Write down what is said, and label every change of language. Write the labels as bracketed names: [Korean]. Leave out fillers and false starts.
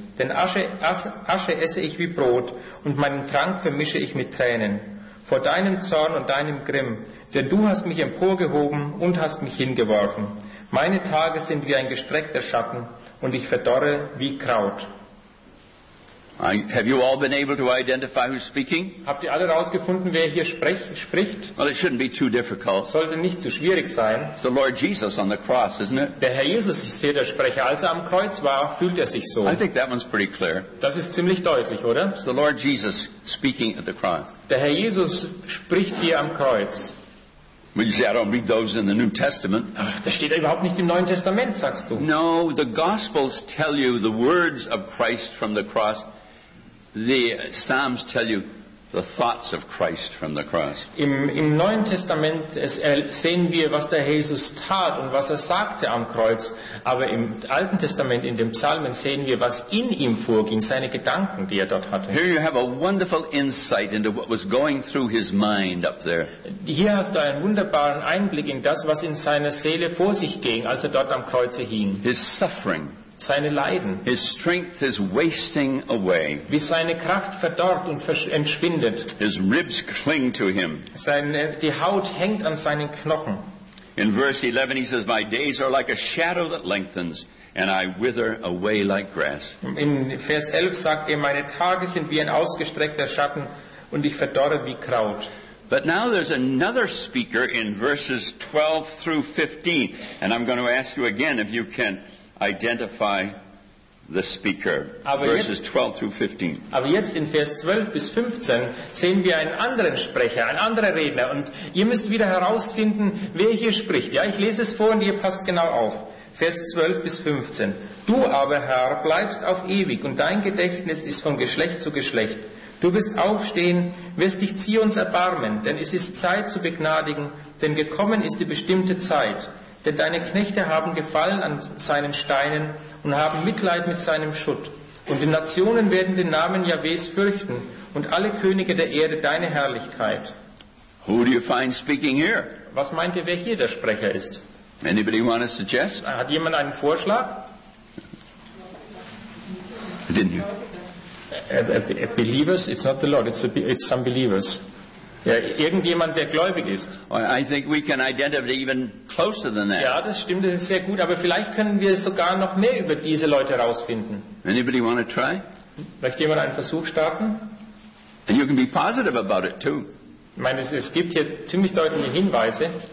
[German] Denn Asche esse ich wie Brot, und meinen Trank vermische ich mit Tränen. Vor deinem Zorn und deinem Grimm, denn du hast mich emporgehoben und hast mich hingeworfen. Meine Tage sind wie ein gestreckter Schatten, und ich verdorre wie Kraut. [English] Have you all been able to identify who's speaking? [German] Habt ihr alle rausgefunden, wer hier spricht? [English] Well, it shouldn't be too difficult. [German] Sollte nicht zu schwierig sein. [English] It's the Lord Jesus on the cross, isn't it? [German] Der Herr Jesus ist hier der Sprecher. Als er am Kreuz war, fühlt er sich so. [English] I think that one's pretty clear. [German] Das ist ziemlich deutlich, oder? [English] It's the Lord Jesus speaking at the cross. [German] Der Herr Jesus spricht hier am Kreuz. [English] Well, you say, I don't read those in the New Testament. [German] Das steht ja überhaupt nicht im Neuen Testament, sagst du. [English] No, the Gospels tell you the words of Christ from the cross. The Psalms tell you the thoughts of Christ from the cross. [German] Im Neuen Testament sehen wir, was der Jesus tat und was er sagte am Kreuz. Aber im Alten Testament, in den Psalmen, sehen wir, was in ihm vorging, seine Gedanken, die er dort hatte. [English] Here you have a wonderful insight into what was going through his mind up there. [German] Hier hast du einen wunderbaren Einblick in das, was in seiner Seele vor sich ging, als er dort am Kreuze hing. [English] His suffering. [German] Seine Leiden. [English] His strength is wasting away. [German] Wie seine Kraft verdorrt und entschwindet. [English] His ribs cling to him. [German] Die Haut hängt an seinen Knochen. [English] In verse 11 he says, my days are like a shadow that lengthens, and I wither away like grass. [German] In Vers 11 sagt er, meine Tage sind wie ein ausgestreckter Schatten, und ich verdorre wie Kraut. [English] But now there's another speaker in verses 12 through 15, and I'm going to ask you again if you can identify the speaker. Verses 12 through 15. [German] Aber jetzt in Vers 12 bis 15 sehen wir einen anderen Sprecher, einen anderen Redner, und ihr müsst wieder herausfinden, wer hier spricht. Ja, ich lese es vor und ihr passt genau auf. Vers 12 bis 15. Du aber, Herr, bleibst auf ewig, und dein Gedächtnis ist von Geschlecht zu Geschlecht. Du wirst aufstehen, wirst dich Zions erbarmen, denn es ist Zeit zu begnadigen, denn gekommen ist die bestimmte Zeit. Denn deine Knechte haben Gefallen an seinen Steinen und haben Mitleid mit seinem Schutt. Und die Nationen werden den Namen Jahwes fürchten und alle Könige der Erde deine Herrlichkeit. [English] Who do you find speaking here? [German] Was meint ihr, wer hier der Sprecher ist? [English] Anybody want to suggest? [German] Hat jemand einen Vorschlag? [English] Didn't you? Believers, it's not the Lord, it's some believers. [German] Ja, irgendjemand, der gläubig ist. [English] I think we can identify even closer than that. [German] Ja, das stimmt sehr gut, aber vielleicht können wir sogar noch mehr über diese Leute herausfinden. [English] Anybody want to try? [German] Möchte jemand einen Versuch starten? [English] And you can be positive about it too. [German] Ich meine, es gibt hier ziemlich deutliche Hinweise.